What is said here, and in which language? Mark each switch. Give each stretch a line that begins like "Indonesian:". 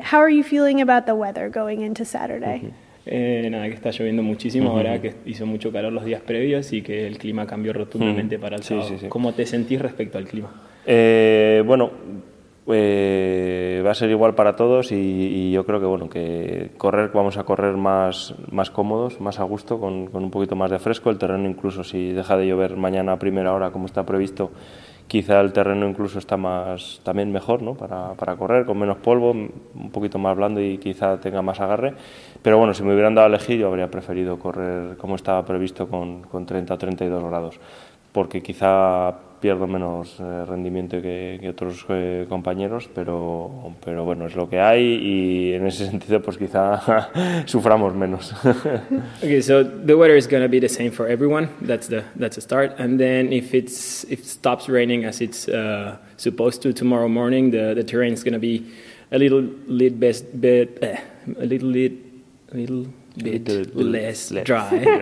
English: How are you feeling about the weather going into Saturday?
Spanish: Nada, que está lloviendo muchísimo ahora, que hizo mucho calor los días previos y que el clima cambió rotundamente para el sábado. Sí. ¿Cómo te sentís respecto al clima? Va a ser igual para todos y yo creo que bueno, que correr, vamos a correr más cómodos, más a gusto, con un poquito más de fresco. El terreno, incluso si deja de llover mañana a primera hora como está previsto, quizá el terreno incluso está también mejor, ¿no? para correr, con menos polvo, un poquito más blando y quizá tenga más agarre. Pero bueno, si me hubieran dado a elegir, yo habría preferido correr como estaba previsto con 30-32 grados, porque quizá pierdo menos rendimiento que otros compañeros, pero bueno, es lo que hay y en ese sentido pues quizá suframos menos.
English: Okay, so the weather is going to be the same for everyone. That's a start. And then if it stops raining as it's supposed to tomorrow morning, the terrain is going to be a little less dry.